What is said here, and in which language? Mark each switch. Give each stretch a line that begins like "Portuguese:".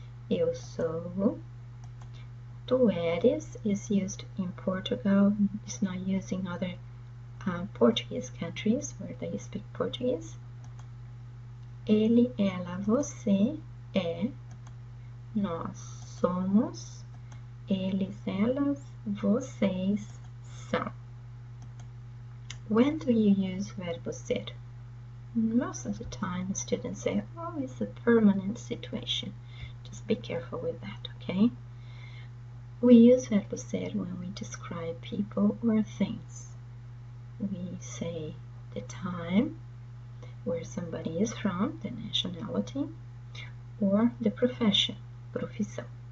Portuguese: Eu sou, tu eres
English: is used in Portugal, it's not used in other Portuguese countries where they speak Portuguese.
Portuguese: Ele, ela, você é, nós somos, eles, elas, vocês são.
English: When do you use verbo ser? Most of the time students say, oh, it's a permanent situation. Just be careful with that, okay? We use verbo ser when we describe people or things. We say the time, where somebody is from, the nationality, or the profession, profissão.